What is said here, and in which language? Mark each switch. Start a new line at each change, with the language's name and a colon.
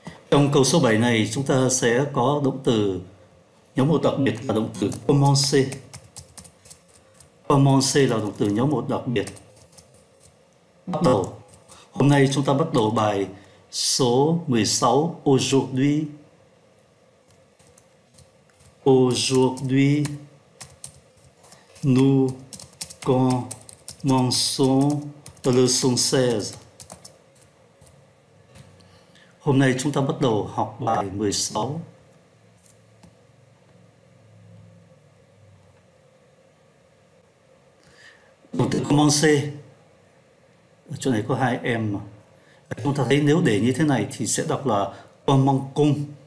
Vietnamese: Trong câu số 7 này chúng ta sẽ có động từ nhóm một đặc biệt là động từ commencer. Commencer là động từ nhóm một đặc biệt. Bắt đầu. Hôm nay chúng ta bắt đầu bài số 16.
French: Aujourd'hui, nous commençons la leçon 16.
Vietnamese: Hôm nay chúng ta bắt đầu học bài 16. Động từ commencer. Ở chỗ này có hai em mà. Chúng ta thấy nếu để như thế này thì sẽ đọc là commencer.